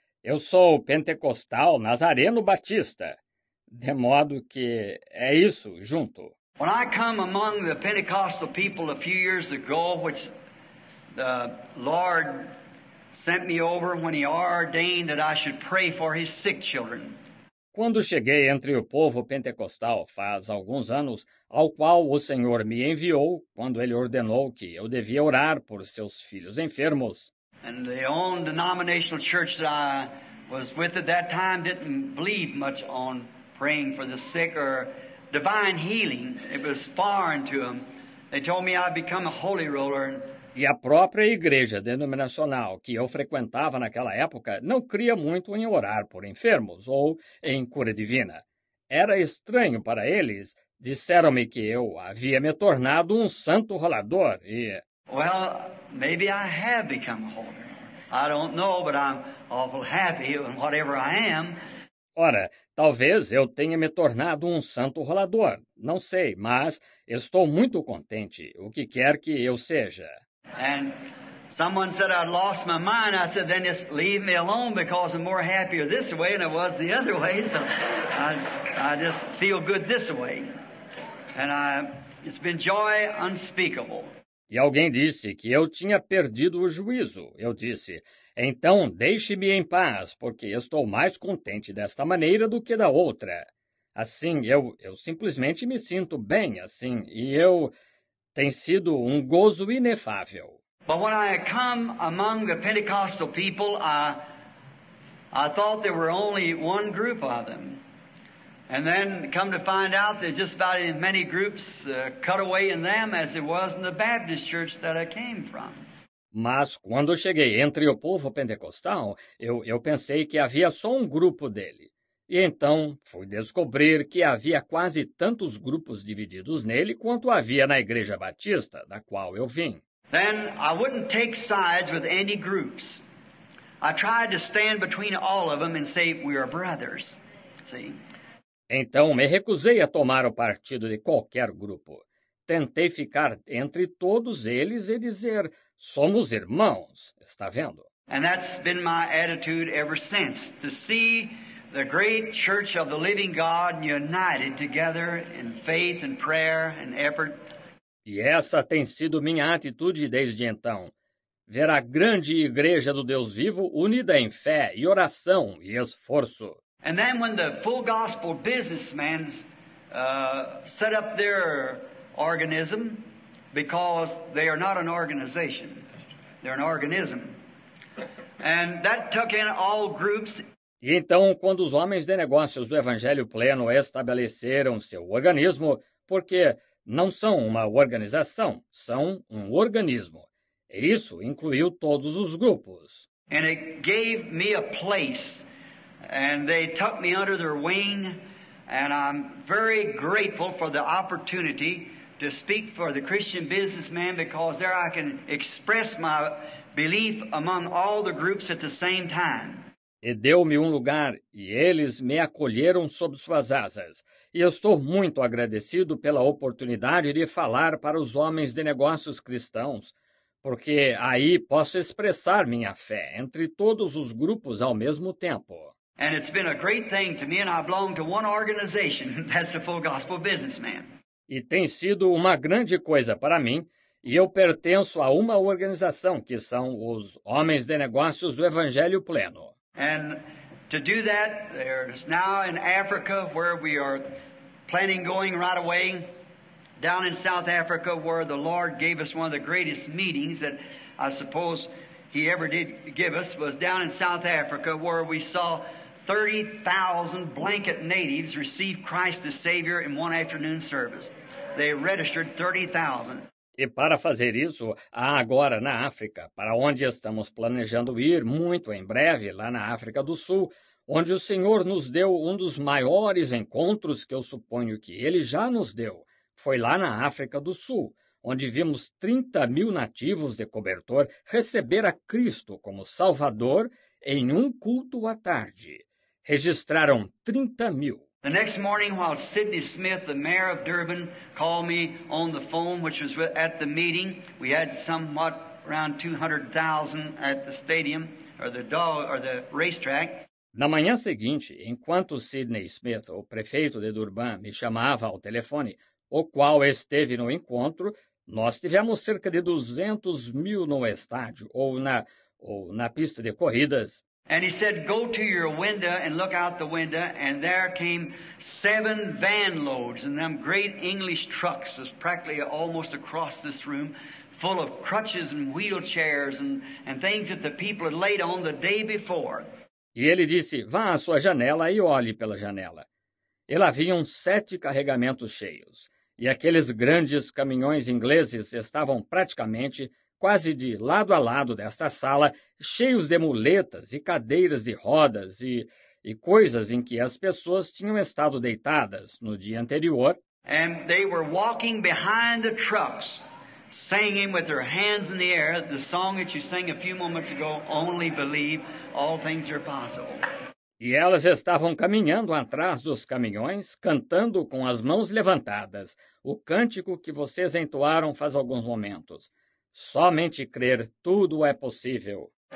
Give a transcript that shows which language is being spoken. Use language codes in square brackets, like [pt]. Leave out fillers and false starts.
[pt] Eu sou pentecostal Nazareno Batista. De modo que é isso, junto. [en] When I come among the Pentecostal people a few years ago, which the Lord sent me over when he ordained that I should pray for his sick children. [pt] Quando cheguei entre o povo pentecostal faz alguns anos, ao qual o Senhor me enviou, quando ele ordenou que eu devia orar por seus filhos enfermos, [en] and the own denominational church that I was with at that time didn't believe much on praying for the sick or divine healing. It was foreign to them. They told me I'd become a holy roller. [pt] E a própria igreja denominacional que eu frequentava naquela época não cria muito em orar por enfermos ou em cura divina. era estranho para eles. Disseram-me que eu havia me tornado um santo rolador e... [en] Well, maybe I have become a hoarder. I don't know, but I'm awful happy in whatever I am. [pt] Ora, talvez eu tenha me tornado um santo rolador. Não sei, mas estou muito contente, o que quer que eu seja. [en] And someone said I lost my mind. I said, then just leave me alone because I'm more happier this way than I was the other way. So I just feel good this way. And it's been joy unspeakable. [pt] E alguém disse que eu tinha perdido o juízo. Eu disse, então deixe-me em paz, porque estou mais contente desta maneira do que da outra. Assim, eu simplesmente me sinto bem, assim, e eu... tem sido um gozo inefável. Mas quando eu vim [en] among the Pentecostal people, I thought there were only one group of them. And then come to find out there's just about as many groups cut away in them as it was in the Baptist church that I came from. [pt] Mas quando cheguei entre o povo pentecostal, eu pensei que havia só um grupo dele. E então fui descobrir que havia quase tantos grupos divididos nele quanto havia na igreja batista, da qual eu vim. [en] Then I wouldn't take sides with any groups. I tried to stand between all of them and say we are brothers. See? [pt] Então, me recusei a tomar o partido de qualquer grupo. Tentei ficar entre todos eles e dizer, somos irmãos, está vendo? [en] And that's been my attitude ever since, to see the great church of the living God united together in faith and prayer and effort. [pt] E essa tem sido minha atitude desde então, ver a grande igreja do Deus vivo unida em fé e oração e esforço. [en] And then when the full gospel businessmen set up their organism, because they are not an organization, they're an organism. And that took in all groups. [pt] E então, quando os homens de negócios do Evangelho Pleno estabeleceram seu organismo, porque não são uma organização, são um organismo. E isso incluiu todos os grupos. [en] And it gave me a place. And they took me under their wing, and I'm very grateful for the opportunity to speak for the Christian businessman, because there I can express my belief among all the groups at the same time. [pt] E deu-me um lugar, e eles me acolheram sob suas asas. E estou muito agradecido pela oportunidade de falar para os homens de negócios cristãos, porque aí posso expressar minha fé entre todos os grupos ao mesmo tempo. [en] And it's been a great thing to me, and I belong to one organization, that's the Full Gospel Businessman. [pt] E tem sido uma grande coisa para mim, e eu pertenço a uma organização, que são os Homens de Negócios do Evangelho Pleno. [en] And to do that, there's now in Africa, where we are planning going right away, down in South Africa, where the Lord gave us one of the greatest meetings that I suppose He ever did give us, was down in South Africa, where we saw 30,000 blanket natives receive Christ as Savior in one afternoon service. They registered 30,000. [pt] E para fazer isso, há agora na África, para onde estamos planejando ir muito em breve, lá na África do Sul, onde o Senhor nos deu um dos maiores encontros que eu suponho que Ele já nos deu. Foi lá na África do Sul, onde vimos 30 mil nativos de cobertor receber a Cristo como Salvador em um culto à tarde. Registraram 30 mil. [en] The next morning, while Sidney Smith, the mayor of Durban, called me on the phone, which was at the meeting, we had somewhat around 200,000 at the stadium, or the racetrack. [pt] Na manhã seguinte, enquanto Sidney Smith, o prefeito de Durban, me chamava ao telefone, o qual esteve no encontro, nós tivemos cerca de 200 mil no estádio ou na pista de corridas. [en] And he said, go to your window and look out the window, and there came 7 van loads and them great English trucks was practically almost across this room, full of crutches and wheelchairs and things that the people had laid on the day before. [pt] E ele disse, vá à sua janela e olhe pela janela. E lá vinham 7 carregamentos cheios. E aqueles grandes caminhões ingleses estavam praticamente, quase de lado a lado desta sala, cheios de muletas e cadeiras de rodas e coisas em que as pessoas tinham estado deitadas no dia anterior. [en] And they were walking behind the trucks, singing with their hands in the air, the song that you sang a few moments ago, Only Believe, All Things Are Possible. [pt] E elas estavam caminhando atrás dos caminhões, cantando com as mãos levantadas, o cântico que vocês entoaram faz alguns momentos. Somente crer, tudo é possível.